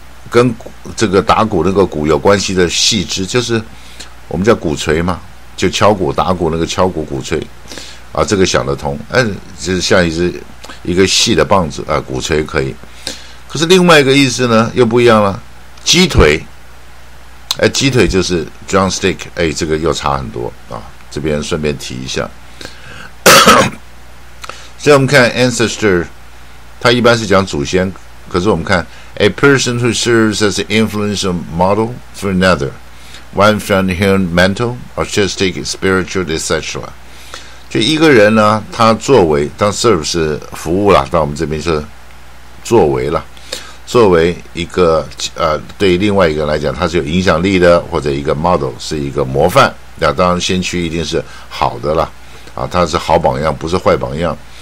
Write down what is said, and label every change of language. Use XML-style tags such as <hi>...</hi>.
<zh>跟这个打鼓那个鼓有关系的细枝，就是我们叫鼓槌嘛，就敲鼓打鼓那个敲鼓鼓槌啊，这个想得通。哎，就是像一个细的棒子啊，鼓槌可以。可是另外一个意思呢又不一样了，鸡腿。哎，鸡腿就是 drumstick。哎，这个又差很多啊，这边顺便提一下。所以我们看 ancestor， 它一般是讲祖先，可是我们看</zh> <en>A person who serves as an influential model for another, one from human, mental, artistic, spiritual, etc.</en> <zh>就一个人呢，他作为当 serve 是服务啦，到我们这边是作为啦，作为一个对另外一个来讲，他是有影响力的，或者一个 model 是一个模范。那当然先驱一定是好的啦，啊，他是好榜样，不是坏榜样。</zh>